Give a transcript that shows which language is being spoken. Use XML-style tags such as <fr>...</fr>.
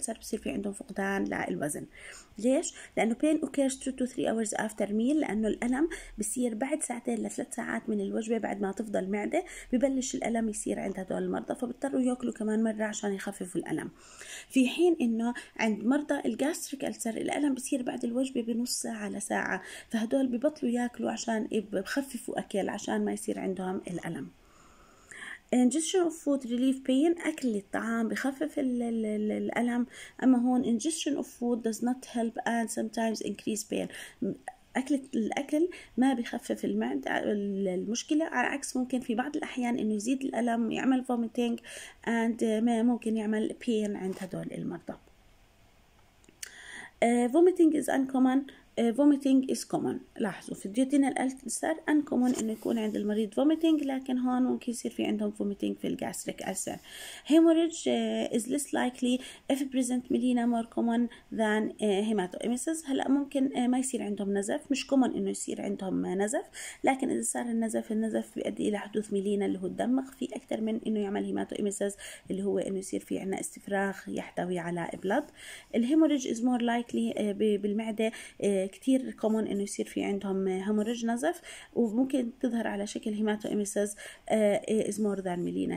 <ar>الكانسر بصير في عندهم فقدان للوزن. ليش؟ لانه</ar> <en>pain occurs 2 to 3 hours after meal،</en> <ar>لانه الالم بصير بعد ساعتين لثلاث ساعات من الوجبه، بعد ما تفضل المعده ببلش الالم يصير عند هدول المرضى، فبضطروا ياكلوا كمان مره عشان يخففوا الالم. في حين انه عند مرضى الجاستريك ألسر الالم بصير بعد الوجبه بنص ساعه لساعه، فهدول ببطلوا ياكلوا عشان بخففوا اكل عشان ما يصير عندهم الالم.</ar> <en>Ingestion of food relieve pain،</en> <ar>أكل الطعام بخفف الألم. أما هون</ar> <en>Ingestion of food does not help and sometimes increase pain،</en> <ar>أكل الأكل ما بخفف المعدة المشكلة، على عكس ممكن في بعض الأحيان إنه يزيد الألم يعمل</ar> <en>vomiting and</en> <ar>ما ممكن يعمل pain عند هدول المرضى.</ar> <en>Vomiting is uncommon. Vomiting is common.</en> <ar>لاحظوا في الديوتين الألسر uncommon إنه يكون عند المريض vomiting، لكن هون ممكن يصير في عندهم vomiting في الجاستريك ألسر.</ar> <en>Hemorrhage is less likely if present melina more common than hematoemesis.</en> <ar>هلا ممكن ما يصير عندهم نزف، مش common إنه يصير عندهم نزف، لكن إذا صار النزف، النزف بيؤدي إلى حدوث melina اللي هو الدم مخفي أكثر من إنه يعمل hematoemesis اللي هو إنه يصير في عنا استفراغ يحتوي على blood.</ar> <en>Hemorrhage is more likely</en> <ar>بالمعدة، كتير كومون انه يصير في عندهم هيموريج نزف، وممكن تظهر على شكل هيماتوإميسيز</ar> <en>as more than</en> <ar>ميلينا.</ar>